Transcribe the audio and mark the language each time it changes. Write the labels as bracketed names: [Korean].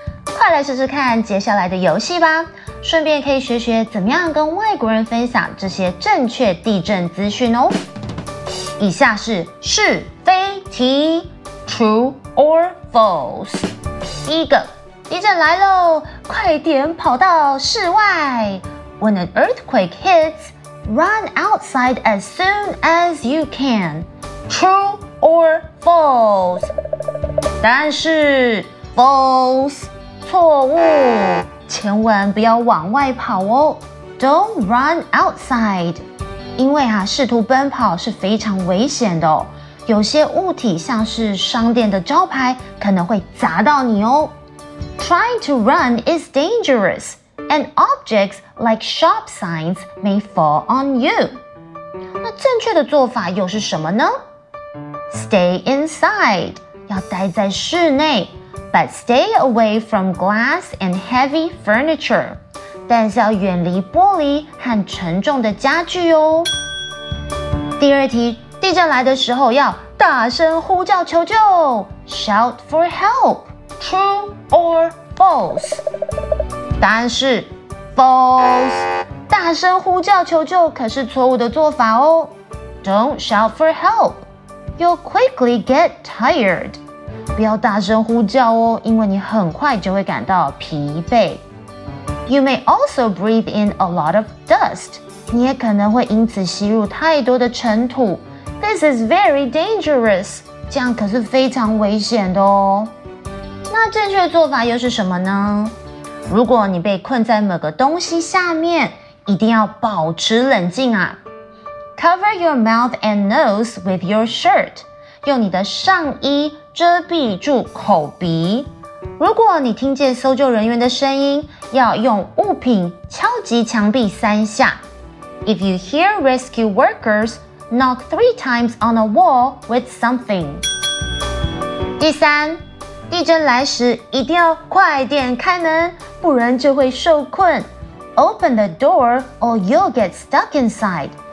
[Chinese] 快来试试看接下来的游戏吧，顺便可以学学怎么样跟外国人分享这些正确地震资讯哦。以下是是非题 ， [English] True or False？ [Chinese] 第一个，地震来喽，快点跑到室外。 [English] When an earthquake hits, run outside as soon as you can. True or False？ [Chinese] 答案是 False， 错误，千万不要往外跑哦。 [English] Don't run outside。 [Chinese] 因为啊，试图奔跑是非常危险的哦。有些物体像是商店的招牌可能会砸到你哦。 [English] Trying to run is dangerous, and objects like shop signs may fall on you. [Chinese] 那正确的做法又是什么呢？ [English] Stay inside, [Chinese] 要待在室内， [English] but stay away from glass and heavy furniture. [Chinese] 但是要远离玻璃和沉重的家具哦。第二题，地震来的时候要大声呼叫求救 ， [English] Shout for help. True or false？ [Chinese] 答案是 false。大声呼叫求救可是错误的做法哦。 [English] Don't shout for help. You'll quickly get tired. [Chinese] 不要大声呼叫哦，因为你很快就会感到疲惫。 [English] You may also breathe in a lot of dust. [Chinese] 你也可能会因此吸入太多的尘土。 [English] This is very dangerous. [Chinese] 这样可是非常危险的哦。那正确做法又是什么呢？如果你被困在某个东西下面，一定要保持冷静啊。 [English] Cover your mouth and nose with your shirt. [Chinese] 用你的上衣遮蔽住口鼻。如果你听见搜救人员的声音，要用物品敲击墙壁三下。 [English] If you hear rescue workers, knock three times on a wall with something. [Chinese] 第三，地震来时一定要快点开门，不然就会受困。 [English] Open the door or you'll get stuck inside.